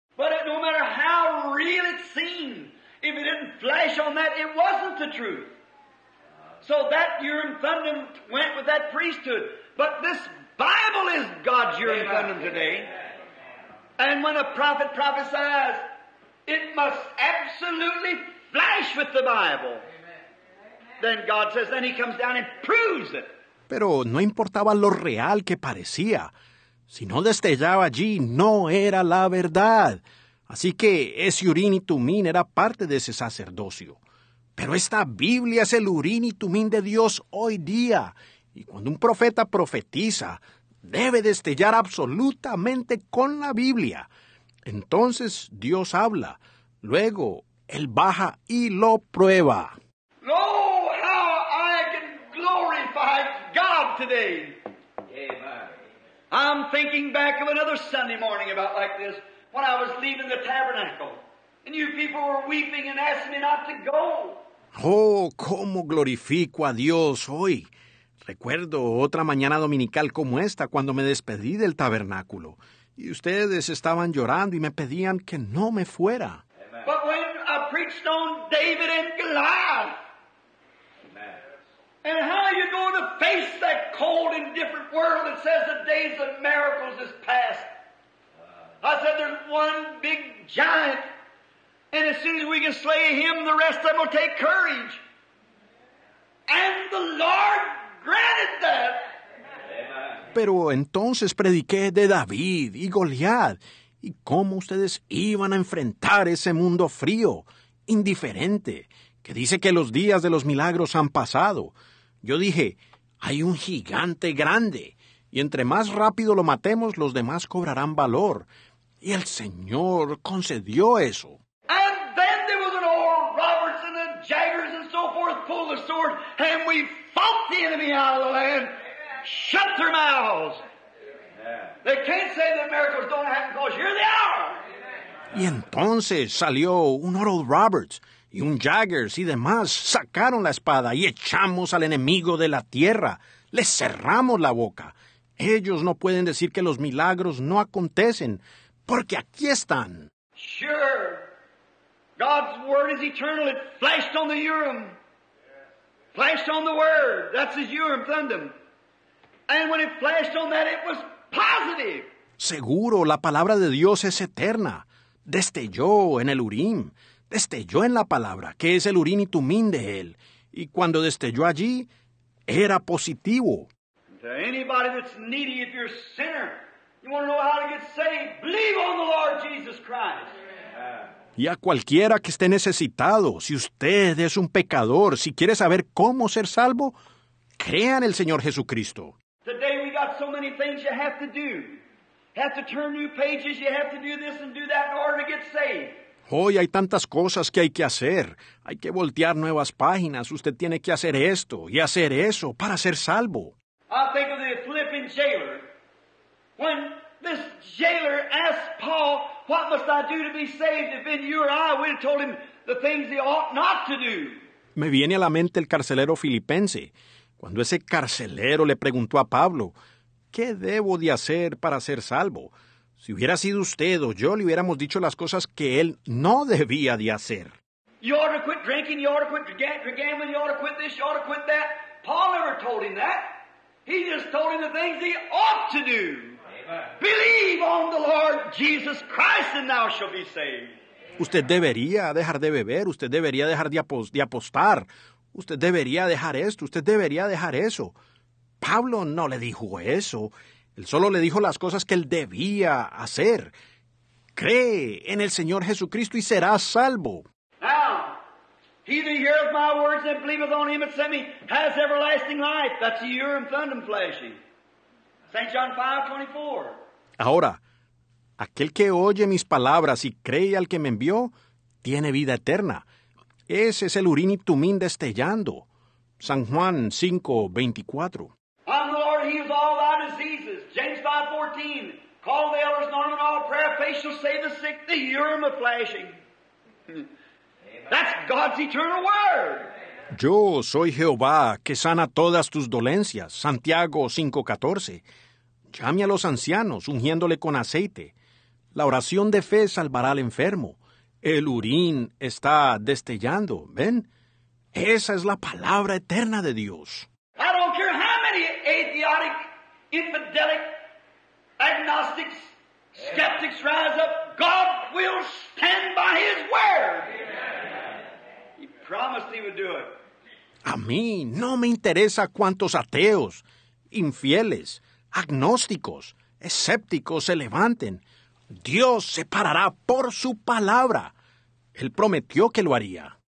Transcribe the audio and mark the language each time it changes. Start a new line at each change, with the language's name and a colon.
English: But no matter how real it seemed, if it didn't flash on that, it wasn't the truth. So that Urim Thummim went with that priesthood. But this Bible is God's Urim Thummim today. And when a prophet prophesies, it must absolutely flash with the Bible. Amen. Then God says, then he comes down and proves it.
Spanish: Pero no importaba lo real que parecía. Si no destellaba allí, no era la verdad. Así que ese Urín y Tumín era parte de ese sacerdocio. Pero esta Biblia es el Urín y Tumín de Dios hoy día. Y cuando un profeta profetiza, debe destellar absolutamente con la Biblia. Entonces Dios habla. Luego Él baja y lo prueba.
English: No, how I can glorify God today. Yeah, I'm thinking back of another Sunday morning about like this, when I was leaving the tabernacle, and you people were weeping and asking me not to go.
Spanish: Oh, cómo glorifico a Dios hoy. Recuerdo otra mañana dominical como esta, cuando me despedí del tabernáculo, y ustedes estaban llorando y me pedían que no me fuera.
English: But when I preached on David and Goliath, and how are you going to face that cold and different world that says the days of miracles is past? I said, there's one big giant, and as soon as we can slay him, the rest of them will take courage. And the Lord granted that.
Spanish: Pero entonces prediqué de David y Goliath. ¿Y cómo ustedes iban a enfrentar ese mundo frío, indiferente, que dice que los días de los milagros han pasado? Yo dije, hay un gigante grande, y entre más rápido lo matemos, los demás cobrarán valor. Y el Señor concedió eso.
English: And then there was an old Roberts and the Jaggers and so forth pulled the sword, and we fought the enemy out of the land. Shut their mouths. They can't say that miracles don't happen because here they are.
Spanish: Y entonces salió un Oral Roberts y un Jaggers y demás sacaron la espada y echamos al enemigo de la tierra. Le cerramos la boca. Ellos no pueden decir que los milagros no acontecen porque aquí están.
English: Sure. God's word is eternal. It flashed on the Urim. Flashed on the word. That's his Urim Thummim. And when it flashed on that, it was positive.
Spanish: Seguro, la palabra de Dios es eterna. Destelló en el Urim. Destelló en la palabra, que es el Urim y Tumim de él. Y cuando destelló allí, era positivo.
English: To anybody that's needy, if you're a sinner, you want to know how to get saved, believe on the Lord Jesus Christ.
Spanish: Y a cualquiera que esté necesitado, si usted es un pecador, si quiere saber cómo ser salvo, crea en el Señor Jesucristo.
English: Today we got so many things you have to do. Have to turn new pages, you have to do this and do that in order to get saved.
Spanish: Hoy hay tantas cosas que hay que hacer. Hay que voltear nuevas páginas. Usted tiene que hacer esto y hacer eso para ser salvo.
English: I think of the Philippian jailer. When this jailer asked Paul, what must I do to be saved? If in you or I, we'd have told him the things he ought not to do.
Spanish: Me viene a la mente el carcelero filipense. Cuando ese carcelero le preguntó a Pablo, ¿qué debo de hacer para ser salvo? Si hubiera sido usted o yo, le hubiéramos dicho las cosas que él no debía de hacer.
English: You ought to quit drinking, you ought to quit gambling, you ought to quit this, you ought to quit that. Paul never told him that. He just told him the things he ought to do. Amen. Believe on the Lord Jesus Christ and thou shalt be saved.
Spanish: Usted debería dejar de beber, usted debería dejar de apostar. Usted debería dejar esto, usted debería dejar eso. Pablo no le dijo eso. Él solo le dijo las cosas que él debía hacer. Cree en el Señor Jesucristo y serás salvo.
English: Now, he that heareth my words and believeth on him that sent me has everlasting life. That's the Urim Thummim flashing. St. John 5:24.
Spanish: Ahora, aquel que oye mis palabras y cree al que me envió, tiene vida eterna. Ese es el Urim y Tumim destellando. San Juan 5:24.
English: I'm the Lord, heals all thy diseases. James 5:14. Call the elders, anoint them in all prayer, faith shall save the sick, the Urim of flashing. That's God's eternal word.
Spanish: Yo soy Jehová, que sana todas tus dolencias. Santiago 5:14. Llame a los ancianos, ungiéndole con aceite. La oración de fe salvará al enfermo. El Urim está destellando, ¿ven? Esa es la palabra eterna de Dios.
English: I don't care how many atheistic, infidelic, agnostics, skeptics rise up. God will stand by His word. Amen. He promised He would do it.
Spanish: A mí no me interesa cuántos ateos, infieles, agnósticos, escépticos se levanten. Dios se parará por su palabra. Él prometió que lo haría.